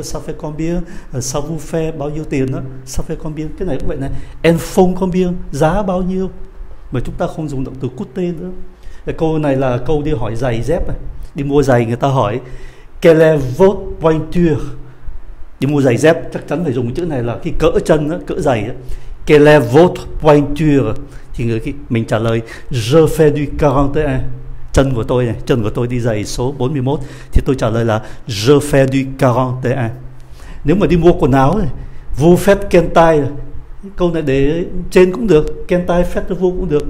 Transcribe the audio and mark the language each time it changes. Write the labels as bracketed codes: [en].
[fr] Ça fait combien? Ça vous fait? [vi] Bao nhiêu tiền đó? [fr] Ça fait combien? [vi] Cái này cũng vậy này. [fr] En font combien? [vi] Giá bao nhiêu? Mà chúng ta không dùng động từ coûter nữa. Câu này là câu đi hỏi giày dép này. Đi mua giày người ta hỏi [fr] quelle est votre pointure? [vi] Đi mua giày dép chắc chắn phải dùng chữ này là cái cỡ chân đó, cỡ giày đó. [fr] Quelle est votre pointure? [vi] Thì người kia, mình trả lời [fr] je fais du 41, [vi] chân của tôi này, chân của tôi đi giày số 41, thì tôi trả lời là je fais du 41. Nếu mà đi mua quần áo này, [fr] vous faites quelle taille, [vi] câu này để trên cũng được, [fr] quelle taille faites vous [vi] cũng được.